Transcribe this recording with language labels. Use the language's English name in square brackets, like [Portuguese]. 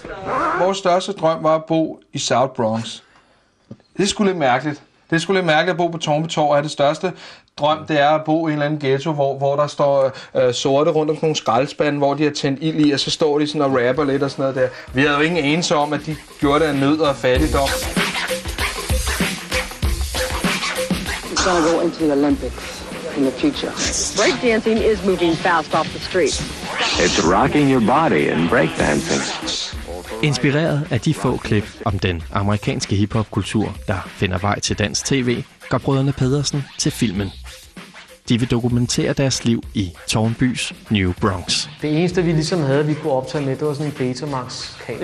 [Danish] slået. Vores største drøm var at bo i South Bronx. Det er sgu lidt mærkeligt. Det er sgu lidt mærkeligt at bo på Tårnby Torv er det største. Drøm, det er at bo i en eller anden ghetto, hvor der står sorte rundt om nogle skraldspande, hvor de har tændt ild i, og så står de sådan og rapper lidt og sådan noget der. Vi havde jo ingen anelse om, at de gjorde det af nød og fattigdom. [English] We shall go into the Olympics in the future. Breakdancing is moving fast off the street. It's rocking your body in breakdancing. [Danish] Inspireret af de få klip om den amerikanske hiphop-kultur, der finder vej til dansk tv, går brødrene Pedersen til filmen. De vil dokumentere deres liv i Tårnbys New Bronx. Det eneste, vi ligesom havde, vi kunne optage med, det var sådan en Betamax-kamera.